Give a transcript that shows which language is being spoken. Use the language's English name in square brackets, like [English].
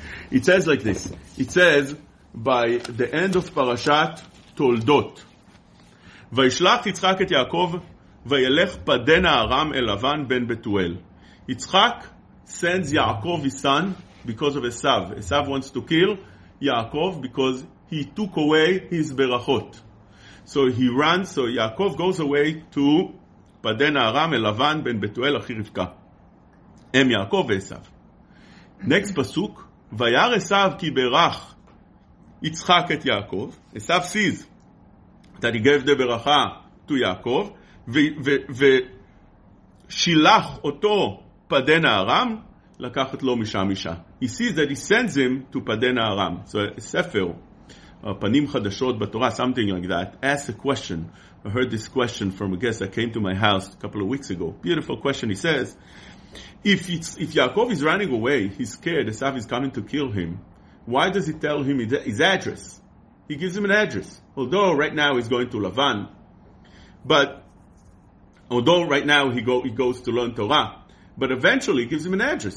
[English] It says like this. It says, by the end of Parashat Toldot, [Hebrew] Vayishlach Yitzchak et Yaakov, וילך פדן הארם אל לבן בן בתואל. [English] יצחק sends Yaakov his son because of Esav. Esav wants to kill Yaakov because he took away his berachot. So he runs, so Yaakov goes away to [Hebrew] פדן הארם אל לבן בן בתואל אחי רבקה. הם יעקב ואסב. [English] Next [Hebrew] פסוק, וירא אסב כי ברך יצחק את יעקב. [English] אסב sees that he gave the ברכה to Yaakov. [Hebrew] ושילח אותו פדן הארם לקחת לו משם אישה. [English] He sees that he sends him to פדן הארם. So a ספר, פנים חדשות בתורה, something like that, asks a question. I heard this question from a guest that came to my house a couple of weeks ago. Beautiful question. He says, if Yaakov is running away, he's scared, Esav is coming to kill him, why does he tell him his address? He gives him an address. Although right now he's going to Lavan, but although right now he goes to learn Torah, but eventually he gives him an address.